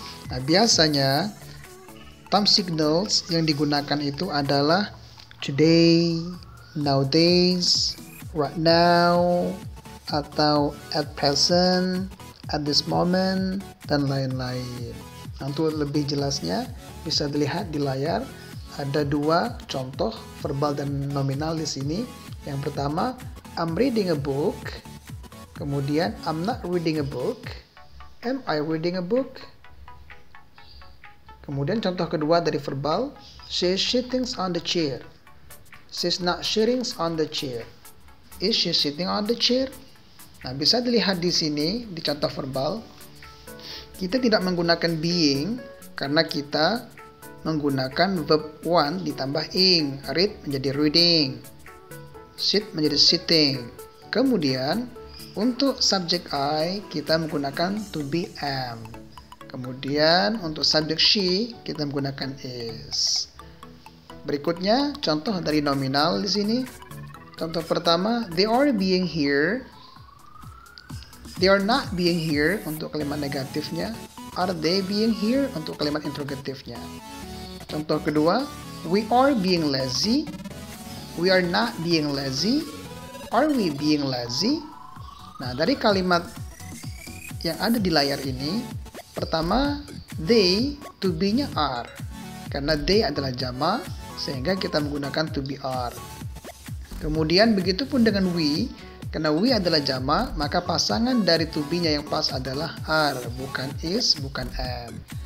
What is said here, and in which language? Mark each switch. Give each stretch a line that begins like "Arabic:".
Indonesian: Nah, biasanya thumb signals yang digunakan itu adalah today, nowadays, right now, atau at present, at this moment, dan lain-lain. Untuk lebih jelasnya, bisa dilihat di layar, ada dua contoh verbal dan nominal di sini.
English: Yang pertama, I'm reading a book. Kemudian, I'm not reading a book. Am I reading a book? Kemudian, contoh kedua dari verbal, she's sitting on the chair. She's not sitting on the chair. Is she sitting on the chair?
Indonesian: Nah, bisa dilihat di sini, di contoh verbal, kita tidak menggunakan being karena kita menggunakan verb one ditambah ing. Read menjadi reading. Sit menjadi sitting. Kemudian, untuk subject I, kita menggunakan to be am. Kemudian, untuk subject she, kita menggunakan is. Berikutnya, contoh dari nominal di sini.
English: Contoh pertama, they are being here. They are not being here untuk kalimat negatifnya. Are they being here untuk kalimat interrogatifnya. Contoh kedua, we are being lazy. We are not being lazy. Are we being lazy?
Indonesian: Nah, dari kalimat yang ada di layar ini, pertama, they, to be-nya are. Karena they adalah jamak, sehingga kita menggunakan to be are. Kemudian, begitu pun dengan we, karena we adalah jamak, maka pasangan dari to be-nya yang pas adalah are, bukan is, bukan am.